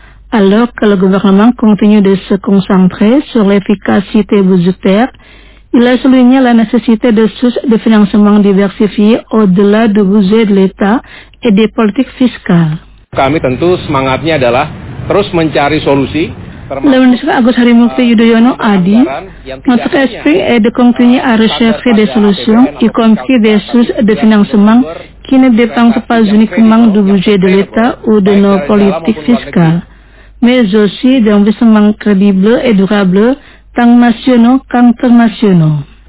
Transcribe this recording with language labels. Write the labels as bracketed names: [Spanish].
[French] Alors que le gouvernement continue de se concentrer sur l'efficacité budgétaire, il a souligné la nécessité de sources de financement diversifiées au-delà du budget de l'État et des politiques fiscales. [Indonesian] Kami tentu semangatnya adalah terus mencari solusi. [French] Le ministre Agus Harimurti Yudhoyono a dit, notre esprit est de continuer à rechercher des solutions, y compris des sources de financement qui ne dépendent pas uniquement du budget de l'État ou de nos politiques fiscales, mais aussi d'investissements crédibles et durables, tant nationaux qu'internationaux.